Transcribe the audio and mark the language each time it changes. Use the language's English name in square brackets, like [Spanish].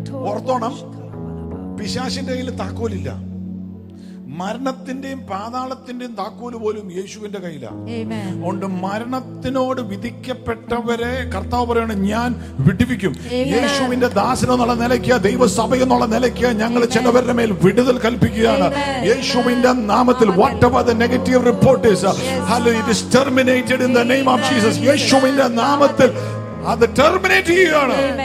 [Malayalam] ഓർത്തോണം, പിശാചിന്റെ കയ്യിൽ താക്കോലില്ല. മരണത്തിന്റെയും പാതാളത്തിന്റെയും താക്കോൽ പോലും യേശുവിന്റെ കയ്യിലാണ്. ഉണ്ട്. മരണത്തിനോട് വിധിക്കപ്പെട്ടവരെ കർത്താവ് പറയാണ്, ഞാൻ വിടുവിക്കും. യേശുവിന്റെ ദാസൻ എന്നുള്ള നിലയ്ക്ക്, ദൈവസഭ എന്നുള്ള നിലയ്ക്ക് ഞങ്ങൾ ചിലവരുടെ മേൽ വിടുതൽ കൽപ്പിക്കുകയാണ് യേശുവിന്റെ നാമത്തിൽ. [English] Whatever the negative report is, hallelujah, it is terminated in the name of Jesus. [Malayalam] യേശുവിന്റെ നാമത്തിൽ അത് ടെർമിനേറ്റ് ചെയ്യുകയാണ്.